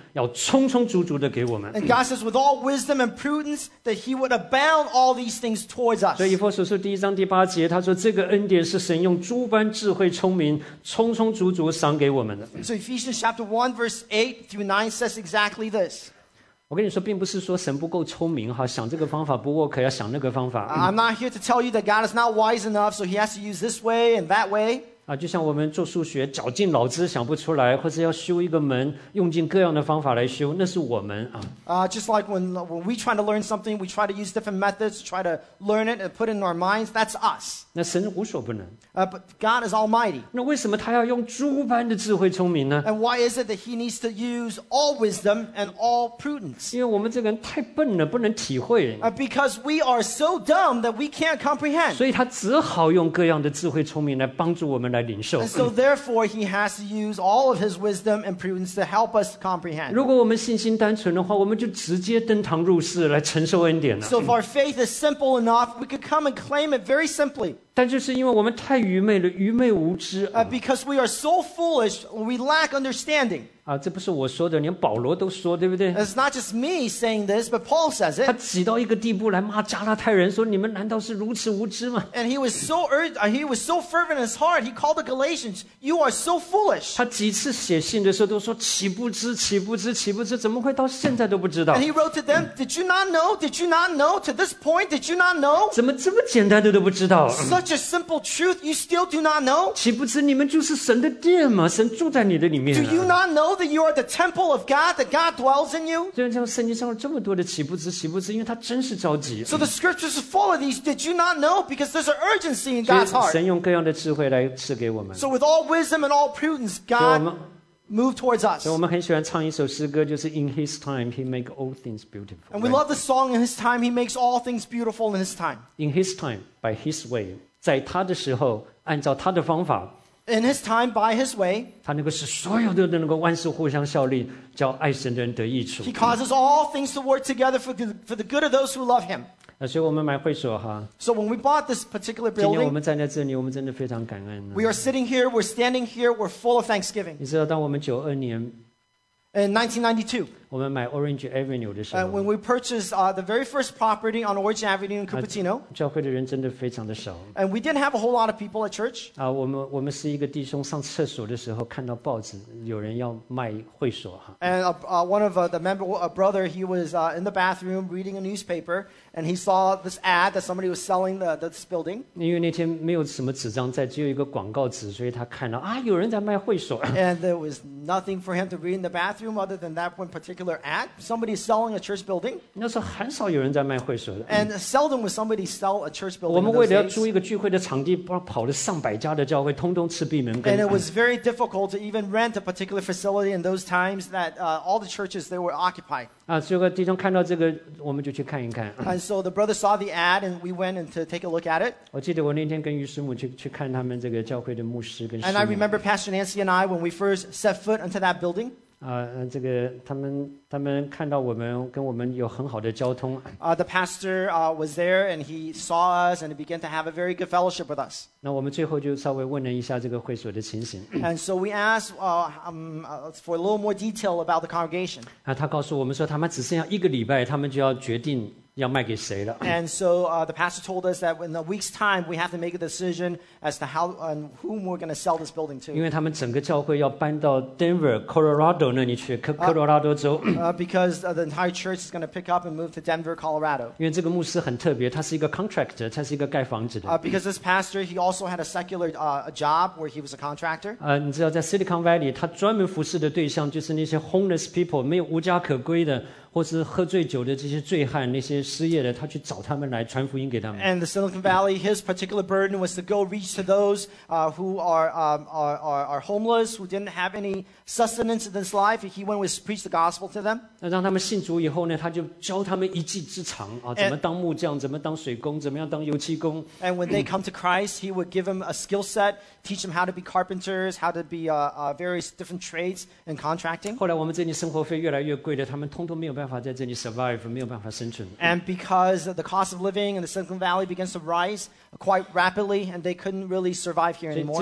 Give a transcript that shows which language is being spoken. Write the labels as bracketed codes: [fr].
[zh] 要充充足足的给我们。 [en] And God says with all wisdom and prudence that he would abound all these things towards us. [zh] 所以以弗所书第一章第八节他说这个恩典是神用诸般智慧聪明充充足足赏给我们的。 [en] So Ephesians chapter 1 verse 8 through 9 says exactly this. [zh] 我跟你说，并不是说神不够聪明哈，想这个方法不 work， 要想那个方法。 [en] I'm not here to tell you that God is not wise enough, so He has to use this way and that way. [zh] 啊，就像我们做数学，绞尽脑汁想不出来，或者要修一个门，用尽各样的方法来修，那是我们啊。 [en] Just like when we try to learn something, we try to use different methods to try to learn it and put it in our minds. That's us. [zh] 那神无所不能。 [en] But God is Almighty. [zh] 那为什么他要用猪般的智慧聪明呢 [en] ？And why is it that He needs to use all wisdom and all prudence? [zh] 因为我们这个人太笨了，不能体会。 [en] Because we are so dumb that we can't comprehend. [zh] 所以他只好用各样的智慧聪明来帮助我们来领受。 [en] And so therefore, He has to use all of His wisdom and prudence to help us comprehend. [zh] 如果我们信心单纯的话，我们就直接登堂入室来承受恩典了。 [en] So if our faith is simple enough, we could come and claim it very simply. [zh] 但就是因为我们太愚昧了，愚昧无知。 [en] Because we are so foolish, we lack understanding. [zh] 啊，这不是我说的，连保罗都说，对不对 [en] ？It's not just me saying this, but Paul says it. [zh] 他挤到一个地步来骂加拉太人，说你们难道是如此无知吗 [en] ？And he was so fervent in his heart. He called the Galatians, "You are so foolish." [zh] 他几次写信的时候都说岂不知，岂不知，岂不知，怎么会到现在都不知道 [en] ？And he wrote to them, "Did you not know? Did you not know? To this point, did you not know?" [zh] 怎么这么简单的都不知道？ [en] Such a simple truth, you still do not know? [zh] 岂不知你们就是神的殿吗？神住在你的里面。 [en] Do you not know that you are the temple of God, that God dwells in you? [zh] 虽然像圣经上了这么多的岂不知，岂不知，因为他真是着急。 [en] So the scriptures are full of these. Did you not know? Because there's an urgency in God's heart. [zh] 神用各样的智慧来赐给我们。 [en] So with all wisdom and all prudence, God move towards us. [zh] 所以我们很喜欢唱一首诗歌，就是 [en] In His time, He makes all things beautiful. And we love the song In His time, He makes all things beautiful in His time. In His time, by His way. [zh] 在他的时候按照他的方法 [en] In his time by his way [zh] 他能够使所有的能够万事互相效力叫爱神的人得益处 [en] He causes all things to work together for the good of those who love him [zh] 所以我们买会所哈 [en] So when we bought this particular building [zh] 今天我们站在这里我们真的非常感恩 [en] We are sitting here, we're standing here, we're full of thanksgiving [zh] 你知道当我们92年 [en] In 1992, [zh] 我们买 Orange Avenue 的时候 [en] when we purchased the very first property on Orange Avenue in Cupertino, [zh] 教会的人真的非常的少 [en] and we didn't have a whole lot of people at church. [zh] 我们是一个弟兄上厕所的时候看到报纸有人要卖会所 [en] And one of the member, a brother, he was in the bathroom reading a newspaper, and he saw this ad that somebody was selling this building. [zh] 因为那天没有什么纸张在，只有一个广告纸，所以他看到啊，有人在卖会所 [en] And there was nothing for him to read in the bathroom. Other than that one particular act, somebody selling a church building. [zh] 那时候很少有人在卖会所的。 [en] And seldom would somebody sell a church building. [zh] 我们为了要租一个聚会的场地，跑了上百家的教会，通通吃闭门羹。 [en] And it was very difficult to even rent a particular facility in those times that all the churches they were occupied. [zh] 啊，结果弟兄看到这个，我们就去看一看。 [en] And so the brother saw the ad, and we went and to take a look at it. [zh] 我记得我那天跟于师母去看他们这个教会的牧师跟师母。 [en] And I remember Pastor Nancy and I when we first set foot into that building. [zh] 这个他们看到我们跟我们有很好的交通。 [en] The pastor was there and he saw us and he began to have a very good fellowship with us. [zh] 那我们最后就稍微问了一下这个会所的情形。 [en] And so we asked for a little more detail about the congregation. [zh] 他告诉我们说他们只剩下一个礼拜，他们就要决定要卖给谁了。 [en] And so the pastor told us that in a week's time we have to make a decision as to how and whom we're going to sell this building to. [zh] 因为他们整个教会要搬到 Denver, Colorado 那里去，科罗拉多州。 [en] Because the entire church is going to pick up and move to Denver, Colorado. [zh] 因为这个牧师很特别，他是一个 contractor, 他是一个盖房子的。 [en] Because this pastor, he also had a secular job where he was a contractor. [zh] 你知道在 Silicon Valley, 他专门服侍的对象就是那些 homeless people, 没有无家可归的。或是喝醉酒的这些醉汉那些失业的他去找他们来传福音给他们 [en] And the Silicon Valley his particular burden was to go reach to those who are homeless who didn't have any sustenance in this life he went and preached the gospel to them [zh] 那让他们信主以后呢他就教他们一技之长啊，怎么当木匠怎么当水工怎么样当油漆工 [en] And when they come to Christ he would give them a skill set teach them how to be carpenters how to be various different trades and contracting [zh] 后来我们这里生活费越来越贵的他们通通没有没有办法在这里 survive 没有办法生存 [en] and because the cost of living in the Silicon Valley begins to rise quite rapidly and they couldn't really survive here anymore